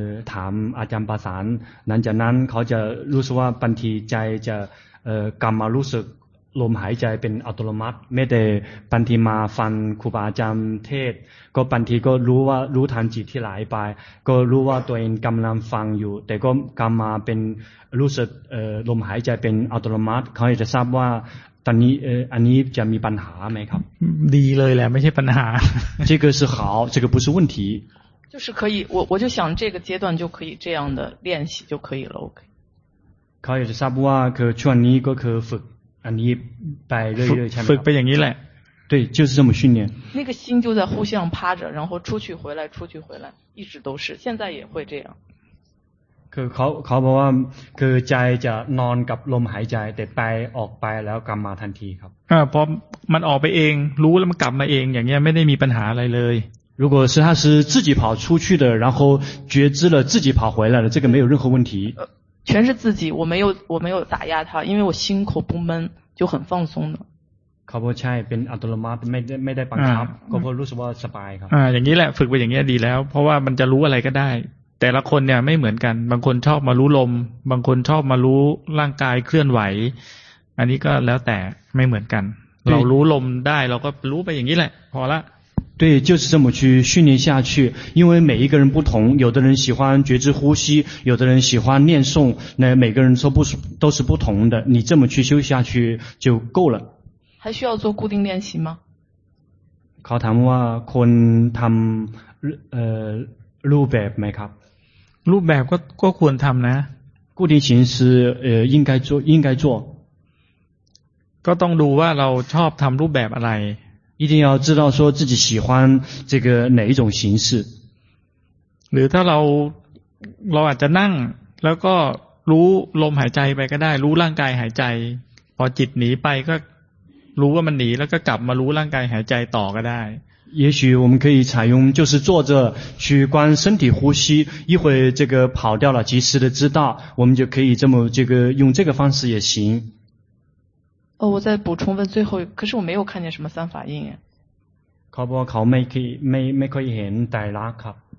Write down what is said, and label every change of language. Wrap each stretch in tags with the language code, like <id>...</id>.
<th>ถามอาจารย์ประสานนั้นจากนั้นเขาจะรู้สึกว่าบางทีใจจะกลับมารู้สึกลมหายใจเป็นอัตโนมัติไม่ได้บางทีมาฟังครูบาอาจารย์เทศก็บางทีก็รู้ว่ารู้ทันจิตที่ไหลไปก็รู้ว่าตัวเองกำลังฟังอยู่แต่ก็กลับมาเป็นรู้สึกลมหายใจเป็นอัตโนมัติเขาจะทราบว่าตอนนี้อันนี้จะมีปัญหาไหมครับ ดีเลยแหละไม่ใช่ปัญหา</th> <zh>这个是好这个不是问题就是可以我就想这个阶段就可以这样的练习就可以了 OK</zh> <th>เขาจะทราบว่าคือช่วงนี้ก็คือฝึกอันนี้ไปเรื่อยๆ ฝึกไปอย่างนี้แหละ</th> <zh>对就是这么训练那个心就在呼吸上趴着然后出去回来出去回来一直都是现在也会这样</zh> <th>คือเขาบอกว่าคือใจจะนอนกับลมหายใจแต่ไปออกไปแล้วกลับมาทันทีครับ พอมันออกไปเองรู้แล้วมันกลับมาเองอย่างเงี้ยไม่ได้มีปัญหาอะไรเลย</th> <zh>如果是他是自己跑出去的然后觉知了自己跑回来了这个没有任何问题全是自己我没有打压他因为我心口不闷就很放松的</zh> <th>ครับใช่เป็นอัตโนมัติไม่ได้บังคับก็รู้สึกว่าสบายครับ อย่างนี้แหละฝึกไปอย่างนี้ดีแล้วเพราะว่ามันจะรู้อะไรก็ได้แต่ละคนเนี่ยไม่เหมือนกันบางคนชอบมารู้ลมบางคนชอบมารู้ร่างกายเคลื่อนไหวอันนี้ก็แล้วแต่ไม่เหมือนกันเรารู้ลมได้เราก็รู้ไปอย่างนี้แหละพอละ</th> <zh>对就是这么去训练下去因为每一个人不同有的人喜欢觉知呼吸有的人喜欢念诵那每个人都是不同的你这么去修下去就够了还需要做固定练习吗</zh> <th>เขาถามว่าคนทำรูปแบบไหมครับ รูปแบบก็ควรทำนะ</th> <zh>固定形式应该做</zh> <th>ก็ต้องดูว่าเราชอบทำรูปแบบอะไร</th> <zh>一定要知道说自己喜欢这个哪一种形式</zh> <th>หรือถ้าเราอาจจะนั่งแล้วก็รู้ลมหายใจไปก็ได้รู้ร่างกายหายใจพอจิตหนีไปก็รู้ว่ามันหนีแล้วก็กลับมารู้ร่างกายหายใจต่อก็ได้</th> <zh>也许我们可以采用就是坐着去观身体呼吸一会这个跑掉了及时的知道我们就可以这么这个用这个方式也行哦，我再补充问最后，可是我没有看见什么三法印耶。可不，可没可以，没可以见呆拉卡。</zh>